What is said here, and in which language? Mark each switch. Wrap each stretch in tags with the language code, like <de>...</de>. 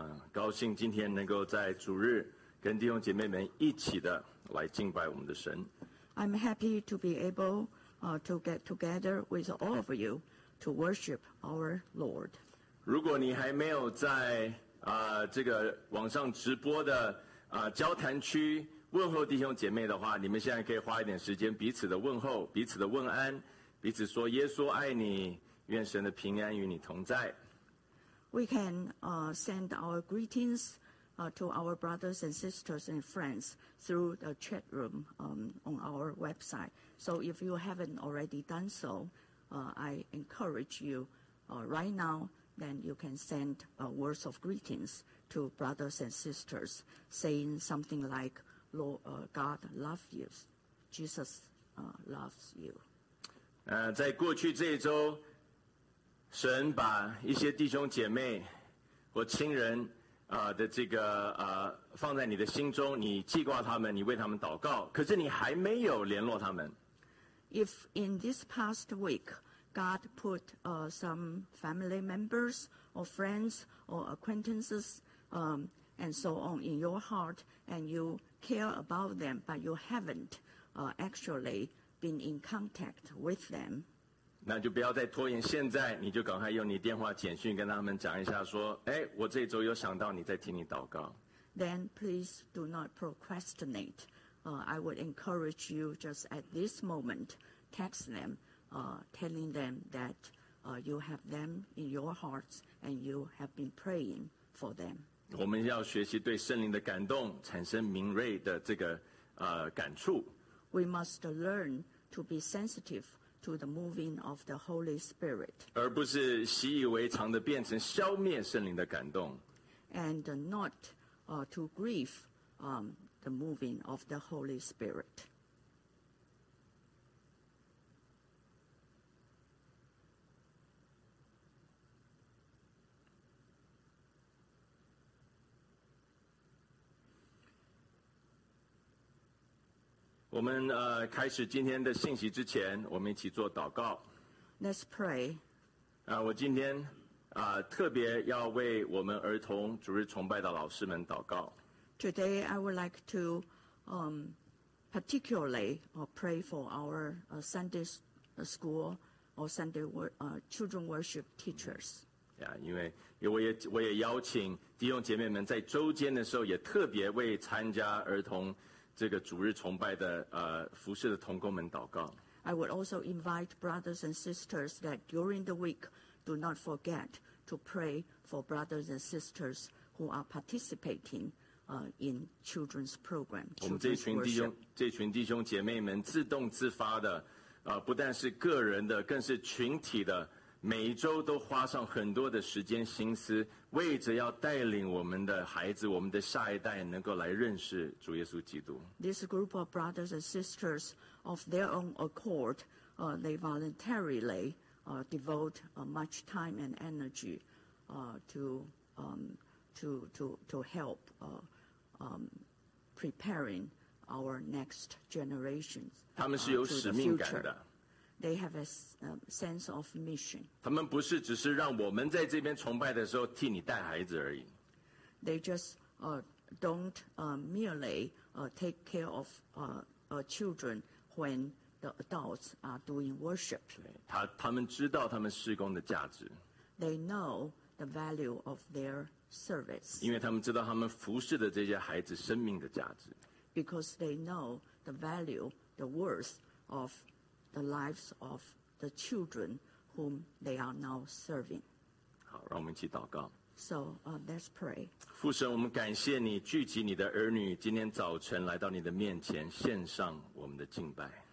<zh>高兴今天能够在主日跟弟兄姐妹们一起的来敬拜我们的神。</zh> <en>I'm happy to be able, to get together with all of you to worship our Lord.</en> <zh>如果你还没有在这个网上直播的交谈区问候弟兄姐妹的话，你们现在可以花一点时间彼此的问候，彼此的问安，彼此说耶稣爱你，愿神的平安与你同在。</zh> <en>We can send our greetings to our brothers and sisters and friends through the chat room on our website. So if you haven't already done so, I encourage you right now, then you can send words of greetings to brothers and sisters, saying something like, Lord, God loves you, Jesus loves you.</en> <zh>在过去这一周，神把一些弟兄姐妹或亲人的这个放在你的心中，你记挂他们，你为他们祷告，可是你还没有联络他们。</zh> <en>If in this past week God put some family members or friends or acquaintances and so on in your heart, and you care about them, but you haven't actually been in contact with them.</en> <zh>那就不要再拖延，现在你就赶快用你电话简讯跟他们讲一下，说哎，我这一周有想到你，在替你祷告。</zh> <en>Then please do not procrastinate. I would encourage you just at this moment text them, telling them that you have them in your hearts and you have been praying for them.</en> <zh>我们要学习对圣灵的感动产生敏锐的这个感触。</zh> <en>We must learn to be sensitive to the moving of the Holy Spirit,</en> <zh>而不是习以为常的变成消灭圣灵的感动。</zh> <en>And not to grieve the moving of the Holy Spirit.</en> <zh>我们开始今天的信息之前，我们一起做祷告。</zh> <en>Let's pray.</en> <zh>我今天特别要为我们儿童主日崇拜的老师们祷告。</zh> <en>Today I would like to particularly pray for our Sunday school or Sunday children worship teachers.</en> <zh>Yeah, 因为我也邀请弟兄姐妹们在周间的时候也特别为参加儿童这个主日崇拜的服事的同工们祷告。</zh> <en>I would also invite brothers and sisters that during the week do not forget to pray for brothers and sisters who are participating in children's program.</en> <zh>我们这群弟兄姐妹们自动自发的，不但是个人的，更是群体的，每一周都花上很多的时间心思，为着要带领我们的孩子，我们的下一代能够来认识主耶稣基督。</zh> <en>This group of brothers and sisters of their own accord, they voluntarily devote much time and energy to help preparing our next generations.</en> <zh>他们是有使命感的。</zh> <en>They have a sense of mission.</en> <zh>他们不是只是让我们在这边崇拜的时候替你带孩子而已。</zh> <en>They just don't merely take care of children when the adults are doing worship.</en> <zh>他们知道他们事工的价值。</zh> <en>They know the value of their service.</en> <zh>因为他们知道他们服侍的这些孩子生命的价值。</zh> <en>Because they know the value, the worth of the lives of the children whom they are now serving.</en> <zh>好，让我们一起祷告。</zh> <en>So, let's pray.</en> <zh>父神，我们感谢你聚集你的儿女，今天早晨来到你的面前，献上我们的敬拜。</zh>